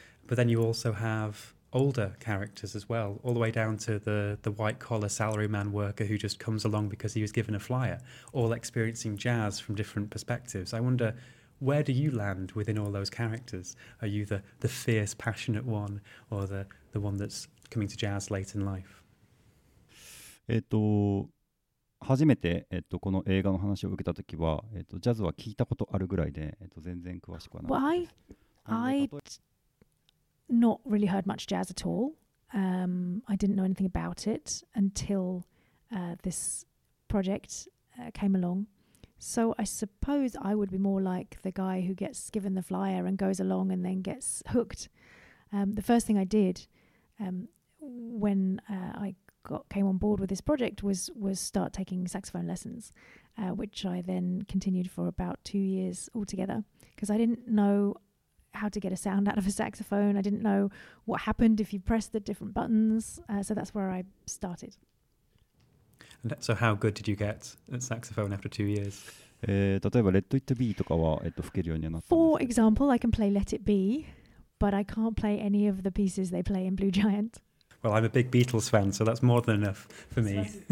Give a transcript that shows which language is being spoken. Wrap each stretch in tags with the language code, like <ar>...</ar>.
<en>But then you also have older characters as well, all the way down to the white-collar salaryman worker who just comes along because he was given a flyer, all experiencing jazz from different perspectives. I wonder, where do you land within all those characters? Are you the fierce, passionate one, or the one that's coming to jazz late in life?</en> <ja>初めて、この映画の話を受けた時は、ジャズは聞いたことあるぐらいで、全然詳しくはなかったです。</ja> <en>Not really heard much jazz at all. I didn't know anything about it until this project came along. So I suppose I would be more like the guy who gets given the flyer and goes along and then gets hooked. The first thing I did when I came on board with this project was start taking saxophone lessons, which I then continued for about 2 years altogether, because I didn't know how to get a sound out of a saxophone. I didn't know what happened if you press the different buttons. So that's where I started. And so how good did you get at saxophone after 2 years?</en> <ja>例えば Let It Be とかは吹けるようになったんですけど。</ja> <en>For example, I can play Let It Be, but I can't play any of the pieces they play in Blue Giant. Well, I'm a big Beatles fan, so that's more than enough for me.</en>